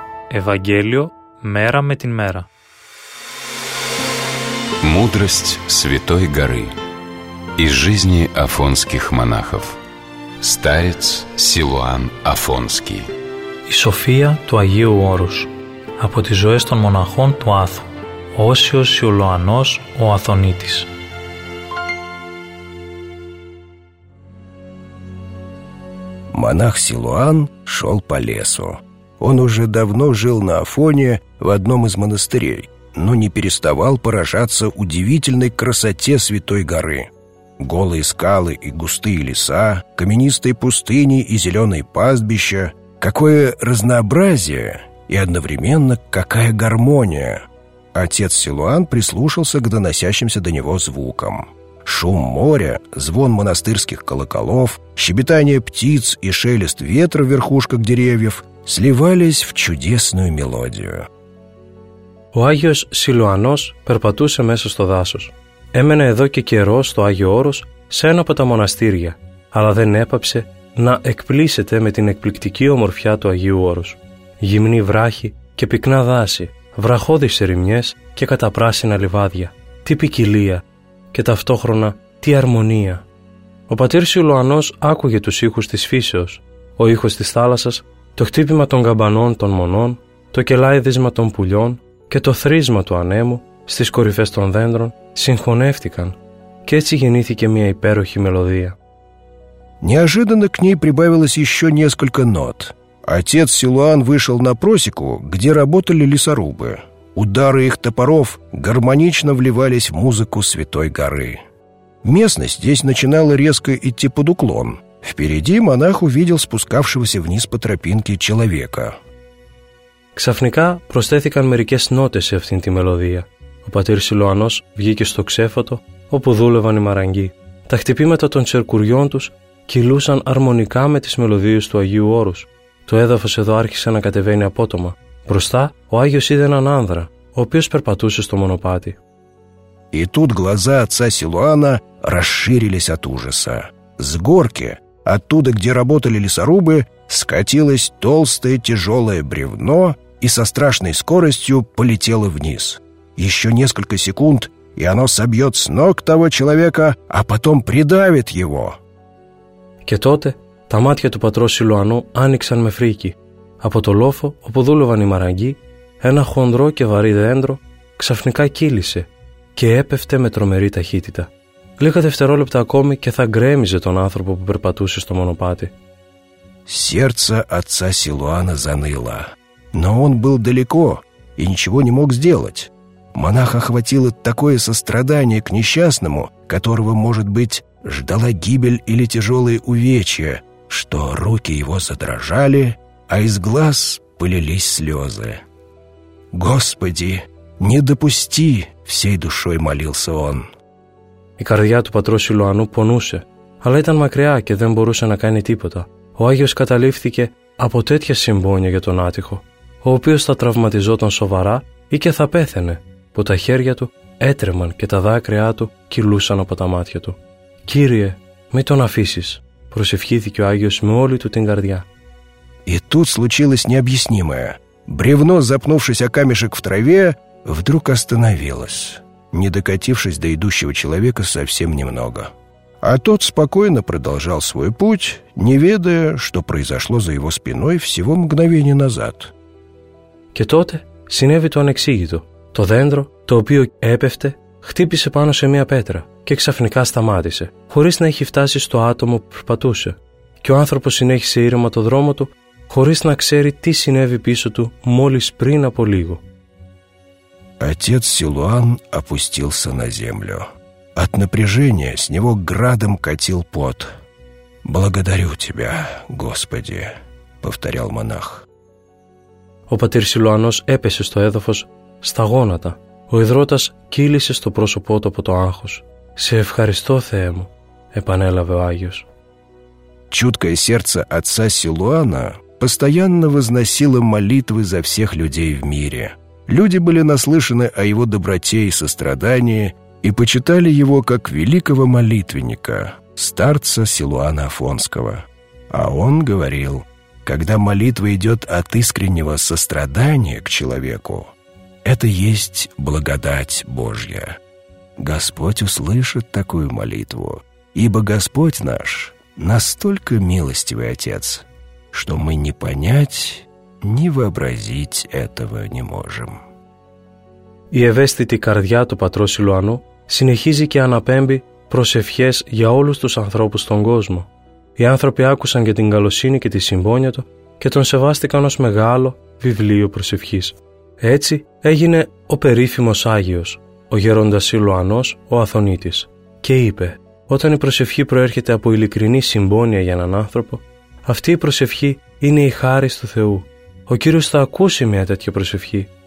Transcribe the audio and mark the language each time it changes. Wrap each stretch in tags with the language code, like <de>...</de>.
<ru>Евангелие мера</ru> <el>με την</el> <ru>мера. Мудрость Святой Горы из жизни афонских монахов. Старец Силуан Афонский.</ru> <el>Η σοφία του Αγίου Όρους από τις ζωές των μοναχών του Άθου. Όσιος Σιλουανός ο Αθωνίτης.</el> <ru>Монах Силуан шел по лесу. Он уже давно жил на Афоне в одном из монастырей, но не переставал поражаться удивительной красоте Святой Горы. Голые скалы и густые леса, каменистые пустыни и зеленые пастбища. Какое разнообразие и одновременно какая гармония! отец Силуан прислушался к доносящимся до него звукам. Шум моря, звон монастырских колоколов, щебетание птиц и шелест ветра в верхушках деревьев сливались в чудесную мелодию.</ru> <el>Ο Άγιος Силουανός περπατούσε μέσα στο δάσος. Έμενε εδώ και καιρό στο Άγιο Όρος σε ένα από τα μοναστήρια, αλλά δεν έπαψε να εκπλήσεται με την εκπληκτική ομορφιά του Αγίου Όρους. Γυμνή βράχη και πυκνά δάση, βραχώδεις ερημιές και καταπράσινα λιβάδια. Τι ποικιλία και ταυτόχρονα τι αρμονία. Ο πατήρ Σιλουανός άκουγε τους ήχους της φύσεως, ο ήχος της θάλασσας, το χτύπημα των καμπανών των μονών, το κελάιδισμα των πουλιών και το θρίσμα του ανέμου στις κορυφές των δέντρων συγχωνεύτηκαν και έτσι γεννήθηκε μια υπέροχη μελωδία.</el> <ru>Неожиданно к ней прибавилось еще несколько нот. Отец Силуан вышел на просеку, где работали лесорубы. Удары их топоров гармонично вливались в музыку Святой Горы. Местность здесь начинала резко идти под уклон. Впереди монах увидел спускавшегося вниз по тропинке человека.</ru> <el>Ξαφνικά προσθέθηκαν μερικές νότες σε αυτήν τη μελωδία. Ο πατήρ Σιλουανός βγήκε στο ξέφωτο όπου δούλευαν οι μαραγκοί. Τα χτυπήματα των τσερκουριών τους κυλούσαν αρμονικά με τις μελωδίες του Αγίου Όρους. Το έδαφος εδώ άρχισε να κατεβαίνει απότομα. Μπροστά, ο Άγιος είδε έναν άνδρα, ο οποίος περπατούσε στο μονοπάτι.</el> <ru>И тут глаза отца Силуана расширились от ужаса. С горки, оттуда, где работали лесорубы, скатилось толстое тяжелое бревно и со страшной скоростью полетело вниз. Еще несколько секунд, и оно собьет с ног того человека, а потом придавит его.</ru> <el>Και τότε τα μάτια του πατρός Σιλουανού άνοιξαν με φρίκι. Από το λόφο όπου δούλευαν οι μαραγκοί, ένα χοντρό και βαρύ δέντρο ξαφνικά κύλησε και έπεφτε με τρομερή ταχύτητα. Λίγα δευτερόλεπτα ακόμη και θα γκρέμιζε τον άνθρωπο που περπατούσε στο μονοπάτι.</el> <ru>Сердце отца Силуана заныло. Но он был далеко и ничего не мог сделать. Монах охватило такое сострадание к несчастному, которого, может быть, ждала гибель или тяжелые увечья, что руки его задрожали, а из глаз полились слезы. «Господи, не допусти!» — всей душой молился он.</ru> <el>Η καρδιά του πατρός Σιλουανού πονούσε, αλλά ήταν μακριά και δεν μπορούσε να κάνει τίποτα. Ο Άγιος καταλήφθηκε από τέτοια συμπόνια για τον άτυχο, ο οποίος θα τραυματιζόταν σοβαρά ή και θα πέθαινε, που τα χέρια του έτρεμαν και τα δάκρυά του κυλούσαν από τα μάτια του. «Κύριε, μη τον αφήσεις», προσευχήθηκε ο Άγιος με όλη του την καρδιά.</el> <ru>И тут случилось необъяснимое. Бревно, запнувшись о камешек в траве, вдруг остановилось, не докатившись до идущего человека совсем немного. А тот спокойно продолжал свой путь, не ведая, что произошло за его спиной всего мгновение назад.</ru> <el>Και тότε συνέβη το ανεξήγητο. Το δέντρο, το οποίο έπεφτε, χτύπησε πάνω σε μια πέτρα και ξαφνικά σταμάτησε, χωρίς να έχει φτάσει στο άτομο που περπατούσε. Και ο άνθρωπος συνέχισε ήρεμα το δρόμο του, χωρίς να ξέρει τι συνέβη πίσω του μόλις πριν από λίγο.</el> <ru>Отец Силуан опустился на землю. От напряжения с него градом катил пот. «Благодарю тебя, Господи», — повторял монах.</ru> <el>Ο πατήρ Силуанός έπεσε στο έδαφος, στα γόνατα. Ο ιδρώτας κύλησε στο πρόσωπό του από το άγχος. «Σε ευχαριστώ, Θεέ μου», επανέλαβε ο Άγιος.</el> <ru>Чуткое сердце отца Силуана постоянно возносило молитвы за всех людей в мире. Люди были наслышаны о его доброте и сострадании и почитали его как великого молитвенника, старца Силуана Афонского. А он говорил, когда молитва идет от искреннего сострадания к человеку, это есть благодать Божья. Господь услышит такую молитву, ибо Господь наш настолько милостивый Отец, что мы ни понять, ни вообразить этого не можем.</ru> <el>Η ευαίσθητη καρδιά του πατρός Σιλουανού συνεχίζει και αναπέμπει προσευχές για όλους τους ανθρώπους στον κόσμο. Οι άνθρωποι άκουσαν για την καλοσύνη και τη συμπόνια του και τον σεβάστηκαν ως μεγάλο βιβλίο προσευχής. Έτσι έγινε ο περίφημος Άγιος, ο γέροντας Σιλουανός, ο Αθωνίτης, και είπε: «Όταν η προσευχή προέρχεται από ειλικρινή συμπόνια για έναν άνθρωπο, αυτή η προσευχή είναι η χάρις του Θεού. Ο Κύριος θα ακούσει μια τέτοια προσευχή</el>